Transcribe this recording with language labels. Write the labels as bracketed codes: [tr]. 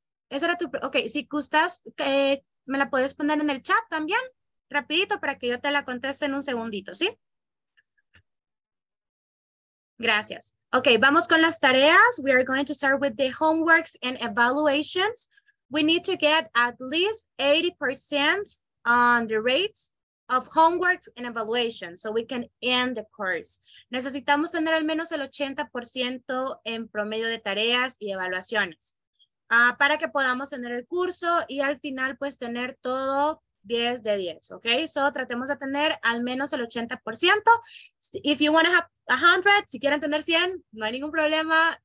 [es] Esa era tu pregunta. Ok, si gustas, me la puedes poner en el chat también, rapidito, para que yo te la conteste en un segundito, ¿sí? Gracias. Okay, vamos con las tareas. [en] We are going to start with the homeworks and evaluations. We need to get at least 80% on the rate of homeworks and evaluations so we can end the course. [es] Necesitamos tener al menos el 80% en promedio de tareas y evaluaciones para que podamos tener el curso y al final pues tener todo 10 de 10, ok? So, tratemos de tener al menos el 80%. [en] If you want to have 100, [es] si quieren tener 100, no hay ningún problema.